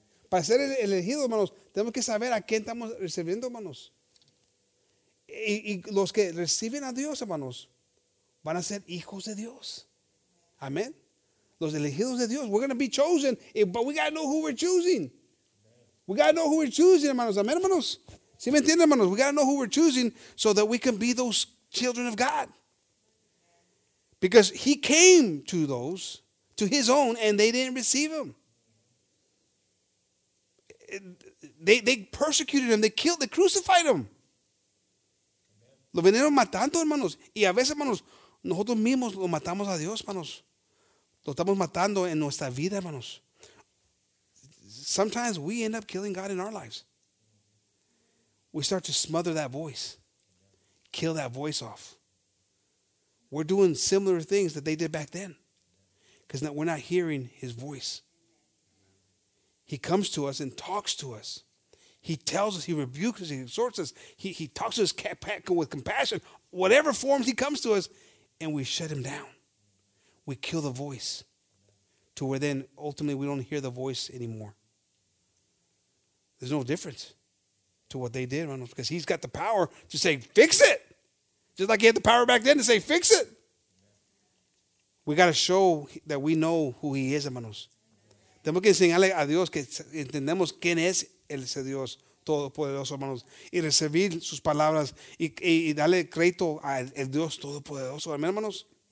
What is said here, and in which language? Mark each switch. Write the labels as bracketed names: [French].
[Spanish] Para ser el elegido, hermanos, tenemos que saber a quién estamos recibiendo, hermanos. Y los que reciben a Dios, hermanos, van a ser hijos de Dios. Amén. Los elegidos de Dios. [English] We're going to be chosen, but we got to know who we're choosing. We got to know who we're choosing, hermanos. [Spanish] Amén, hermanos. ¿Sí me entienden, hermanos? [English] We got to know who we're choosing so that we can be those children of God. Because he came to those, to his own, and they didn't receive him. They persecuted him. They killed, they crucified him. [Spanish] Lo vinieron matando, hermanos. Y a veces, hermanos, nosotros mismos lo matamos a Dios, hermanos. Lo estamos matando en nuestra vida, hermanos. [English] Sometimes we end up killing God in our lives. We start to smother that voice. Kill that voice off. We're doing similar things that they did back then. Because we're not hearing his voice. He comes to us and talks to us. He tells us, he rebukes us, he exhorts us. He talks to us with compassion, whatever forms he comes to us, and we shut him down. We kill the voice. to where then ultimately we don't hear the voice anymore. There's no difference to what they did, hermanos, because he's got the power to say, fix it. Just like he had the power back then to say, fix it. We got to show that we know who he is, hermanos. [Spanish] Tenemos que enseñarle a Dios que entendemos quién es ese Dios Todopoderoso, hermanos, y recibir sus palabras y darle crédito al Dios Todopoderoso, amén, hermanos.